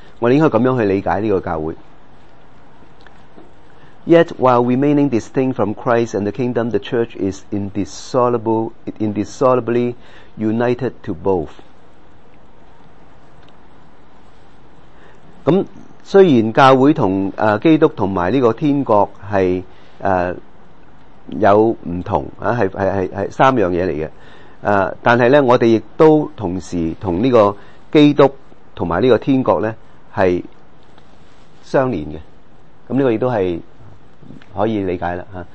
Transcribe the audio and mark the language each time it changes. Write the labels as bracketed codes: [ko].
[zh] 我們應該這樣去理解這個教會。 [en] Yet while remaining distinct from Christ and the kingdom, the church is indissolubly united to both。 [zh] 雖然教會和基督和這個天國是有不同，是三樣東西來的，但是呢我們也都同時和這個基督和這個天國呢是相連的，這個也都是可以理解啦。